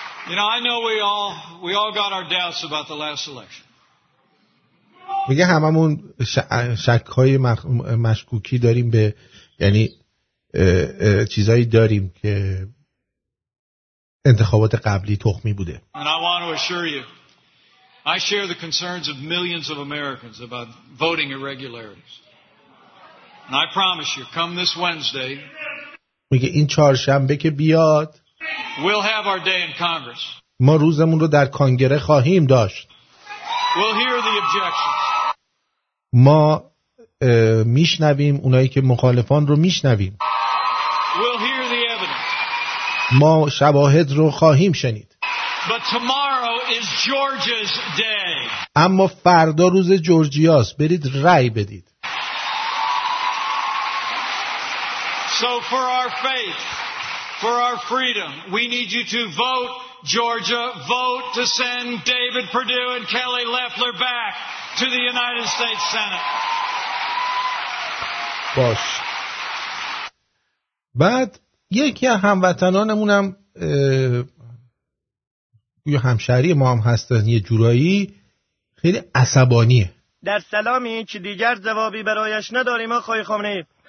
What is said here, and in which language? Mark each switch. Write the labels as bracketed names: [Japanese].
[English] You know, I know we all got our doubts about the last election. [Persian] میگه هممون شک‌های مشکوکی داریم به، یعنی چیزایی داریم که انتخابات قبلی تخمی بوده. [English] And I want to assure you, I share the concerns of millions of Americans about voting irregularities. And I promise you, come this Wednesday. [Persian] میگه این چهارشنبه که بیاد، [English] we'll have our day in Congress. [Persian] ما روزمون رو در کنگره خواهیم داشت. [English] We'll hear the objections. [Persian] ما میشنویم اونایی که مخالفان رو میشنویم. [English] We'll hear the evidence. [Persian] ما شواهد رو خواهیم شنید. [English] But tomorrow is Georgia's day. [Persian] اما فردا روز جورجیاست، برید رأی بدید. [English] So for our faith, for our freedom, we need you to vote Georgia, vote to send David Perdue and Kelly Loeffler back to the United States Senate. [Persian] باش. بعد یکی از هموطنانمون هم یه همشهری ما هم هستن، یه جورایی خیلی عصبانیه. در سلامی که دیگر جوابی برایش نداریم آقای خامنه‌ای.